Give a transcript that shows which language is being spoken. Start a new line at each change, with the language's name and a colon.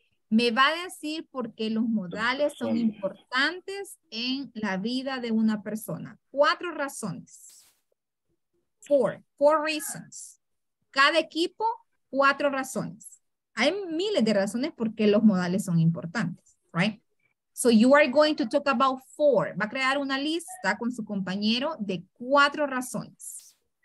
Spanish: Me va a decir por qué los modales son importantes en la vida de una persona. Cuatro razones.
English: Four. Four reasons.
Spanish: Cada equipo, cuatro razones. Hay miles de razones por qué los modales son importantes, right?
English: So you are going to talk about four.
Spanish: Va a crear una lista con su compañero de cuatro razones.